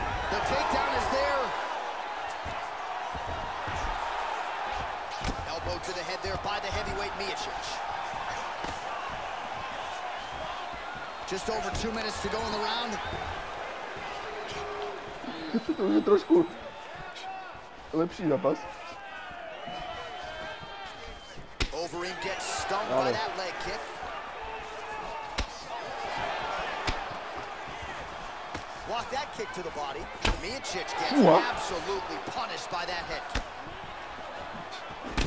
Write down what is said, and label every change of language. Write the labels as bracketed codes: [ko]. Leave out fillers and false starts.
[en] The takedown is there. To the head there by the heavyweight Miocic. Just over 2 minutes to go in the round. [cs] To je trošku lepší zápas. [en] Overeem gets stung by that leg kick. Walk that kick to the body. Miocic gets absolutely punished by that head kick.